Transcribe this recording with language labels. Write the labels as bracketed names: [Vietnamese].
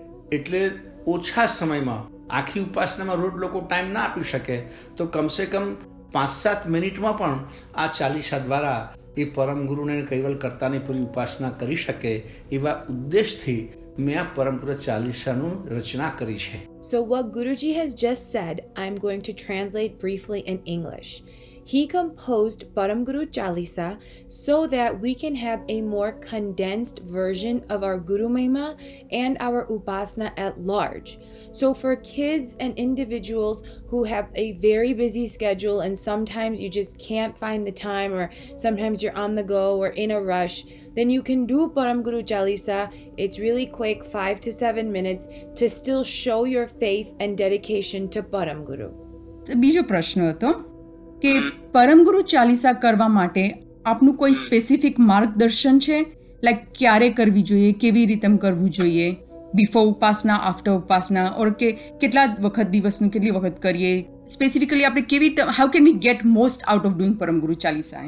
[Gujarati] એટલે ઓછા સમયમાં આખી ઉપાસનામાં રોજ લોકો ટાઈમ ના આપી શકે તો કમસે કમ 5-7 મિનિટમાં પણ આ ચાલીસા દ્વારા એ પરમગુરુને કૈવલ કરતાની પૂરી ઉપાસના કરી શકે એવા ઉદ્દેશથી મેં આ પરમપુર ચાલીસાનું રચના કરી છે. [English] So what Guruji has just said I am going to translate briefly in English. He composed Paramguru Chalisa so that we can have a more condensed version of our Guru Mahima and our Upasana at large. So for kids and individuals who have a very busy schedule and sometimes you just can't find the time or sometimes you're on the go or in a rush, then you can do Paramguru Chalisa. It's really quick, 5-7 minutes to still show your faith and dedication to Paramguru. [Gujarati] Bijo prashna hato. કે પરમગુરુ ચાલીસા કરવા માટે આપનું કોઈ specific માર્ગદર્શન છે, like ક્યારે કરવી જોઈએ, કેવી રીતે કરવું જોઈએ, બિફોર ઉપાસના, આફ્ટર ઉપાસના, ઓર કે કેટલા વખત દિવસનું કેટલી વખત કરીએ, સ્પેસિફિકલી આપણે કેવી રીતે, [English] how can we get most out of doing [Gujarati] પરમગુરુ Chalisa?